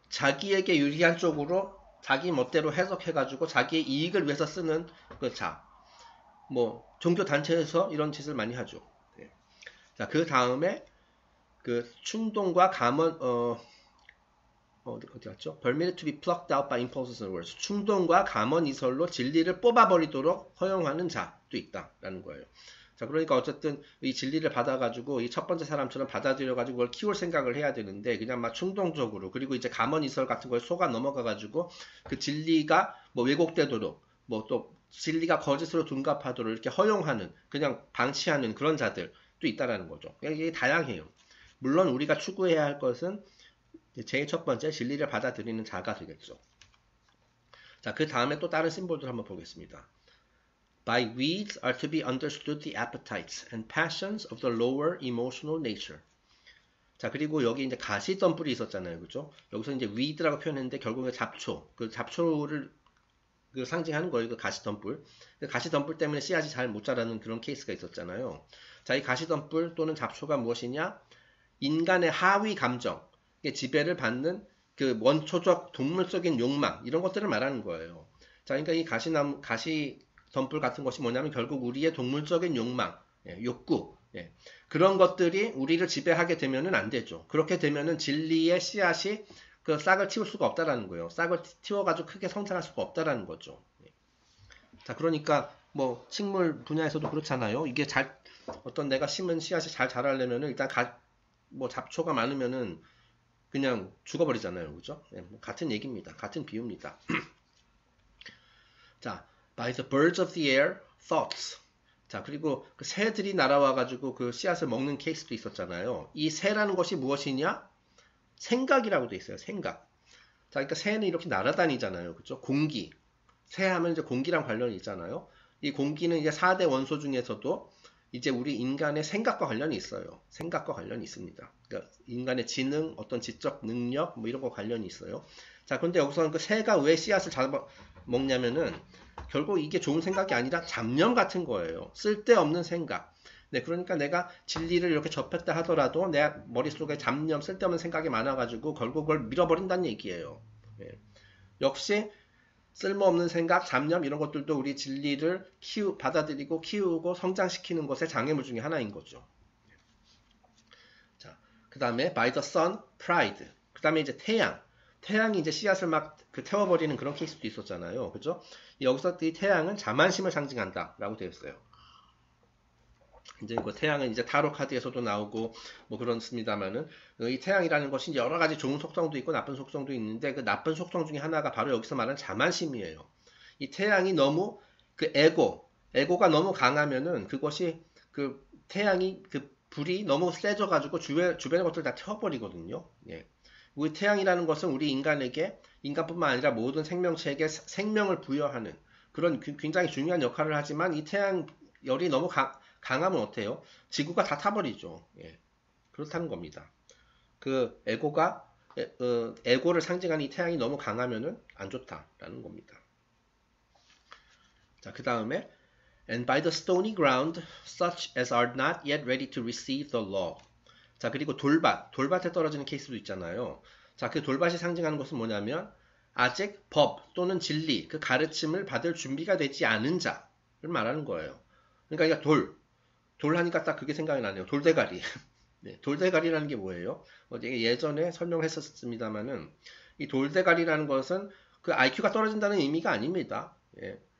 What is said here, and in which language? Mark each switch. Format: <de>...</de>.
<ko>자기에게 유리한 쪽으로 자기 멋대로 해석해가지고 자기의 이익을 위해서 쓰는 그 자. 뭐, 종교 단체에서 이런 짓을 많이 하죠. 네. 자, 그 다음에 그 충동과 감언, 어디 갔죠?</ko> <en>Permitted to be plucked out by impulses and words.</en> <ko>충동과 감언 이설로 진리를 뽑아버리도록 허용하는 자도 있다라는 거예요. 자, 그러니까 어쨌든 이 진리를 받아가지고 이첫 번째 사람처럼 받아들여가지고 그걸 키울 생각을 해야 되는데 그냥 막 충동적으로 그리고 이제 감언 이설 같은 걸 속아 넘어가가지고 그 진리가 뭐 왜곡되도록 뭐또 진리가 거짓으로 둔갑하도록 이렇게 허용하는 그냥 방치하는 그런 자들도 있다라는 거죠. 이게 다양해요. 물론 우리가 추구해야 할 것은 제일 첫 번째 진리를 받아들이는 자가 되겠죠. 자, 그 다음에 또 다른 심볼들 한번 보겠습니다.</ko> <en>By weeds are to be understood the appetites and passions of the lower emotional nature.</en> <ko>자, 그리고 여기 이제 가시 덤불이 있었잖아요. 그죠? 여기서 이제 weed라고 표현했는데 결국에 잡초. 그 잡초를 그 상징하는 거예요. 그 가시 덤불. 가시 덤불 때문에 씨앗이 잘못 자라는 그런 케이스가 있었잖아요. 자, 이 가시 덤불 또는 잡초가 무엇이냐? 인간의 하위 감정. 지배를 받는 그 원초적 동물적인 욕망. 이런 것들을 말하는 거예요. 자, 그러니까 이 가시 덤불 같은 것이 뭐냐면 결국 우리의 동물적인 욕망. 예, 욕구. 예. 그런 것들이 우리를 지배하게 되면은 안 되죠. 그렇게 되면은 진리의 씨앗이 그 싹을 틔울 수가 없다라는 거예요. 싹을 틔워가지고 크게 성장할 수가 없다라는 거죠. 예. 자, 그러니까 뭐 식물 분야에서도 그렇잖아요. 이게 잘 어떤 내가 심은 씨앗이 잘 자라려면은 일단 뭐 잡초가 많으면은 그냥 죽어버리잖아요. 그죠? 예, 같은 얘기입니다. 같은 비유입니다.</ko> <en>자, by the birds of the air, thoughts.</en> <ko>자, 그리고 그 새들이 날아와 가지고 그 씨앗을 먹는 케이스도 있었잖아요. 이 새라는 것이 무엇이냐? 생각이라고 돼 있어요. 생각. 자, 그러니까 새는 이렇게 날아다니잖아요. 그렇죠? 공기. 새 하면 이제 공기랑 관련이 있잖아요. 이 공기는 이제 4대 원소 중에서도 이제 우리 인간의 생각과 관련이 있어요. 생각과 관련이 있습니다. 그러니까 인간의 지능, 어떤 지적 능력 뭐 이런 거 관련이 있어요. 자, 근데 여기서는 그 새가 왜 씨앗을 먹냐면은 결국 이게 좋은 생각이 아니라 잡념 같은 거예요. 쓸데없는 생각. 네, 그러니까 내가 진리를 이렇게 접했다 하더라도 내 머릿속에 잡념, 쓸데없는 생각이 많아가지고 결국 그걸 밀어버린다는 얘기예요. 네. 역시 쓸모없는 생각, 잡념 이런 것들도 우리 진리를 받아들이고 키우고 성장시키는 것의 장애물 중에 하나인 거죠.</ko> <en>자,</en> <ko>그 다음에</ko> <en>by the sun, pride.</en> <ko>그 다음에 이제 태양. 태양이 이제 씨앗을 막그 태워버리는 그런 케이스도 있었잖아요. 그죠? 여기서 이 태양은 자만심을 상징한다 라고 되어 있어요. 이제 그 태양은 이제 타로 카드에서도 나오고 뭐 그렇습니다만은 이 태양이라는 것이 여러 가지 좋은 속성도 있고 나쁜 속성도 있는데 그 나쁜 속성 중에 하나가 바로 여기서 말하는 자만심이에요. 이 태양이 너무 그 에고가 너무 강하면은 그것이 그 태양이 그 불이 너무 세져가지고 주변의 것들을 다 태워버리거든요. 예. 우리 태양이라는 것은 우리 인간에게, 인간뿐만 아니라 모든 생명체에게 생명을 부여하는 그런 굉장히 중요한 역할을 하지만 이 태양 열이 너무 강하면 어때요? 지구가 다 타버리죠. 예. 그렇다는 겁니다. 그 에고를 상징하는 이 태양이 너무 강하면은 안 좋다라는 겁니다.</ko> <en>자,</en> <ko>그 다음에</ko> <en>And by the stony ground, such as are not yet ready to receive the law.</en> <ko>자, 그리고 돌밭에 떨어지는 케이스도 있잖아요. 자, 그 돌밭이 상징하는 것은 뭐냐면, 아직 법 또는 진리, 그 가르침을 받을 준비가 되지 않은 자를 말하는 거예요. 그러니까 돌 하니까 딱 그게 생각이 나네요. 돌대가리. 네, 돌대가리라는 게 뭐예요? 예전에 설명했었습니다마는, 이 돌대가리라는 것은 그 IQ가 떨어진다는 의미가 아닙니다. 예.</ko>